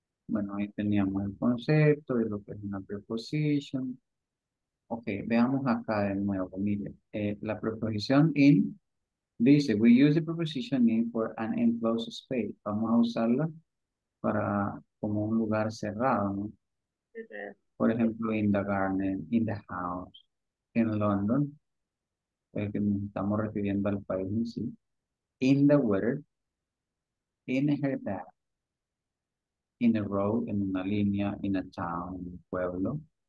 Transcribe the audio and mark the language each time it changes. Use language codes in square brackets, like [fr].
[es] Bueno, ahí teníamos el concepto de lo que es una preposition. Ok, veamos acá de nuevo. Mire, la preposición in. [en] Dice, we use the preposition in for an enclosed space. [es] Vamos a usarla para como un lugar cerrado, ¿no? Por ejemplo, [en] in the garden, in the house, in London, [es] que nos estamos refiriendo al país en sí, [en] in the weather, in her bed, in a road, [es] en una línea, [en] in a town, [es] en un pueblo.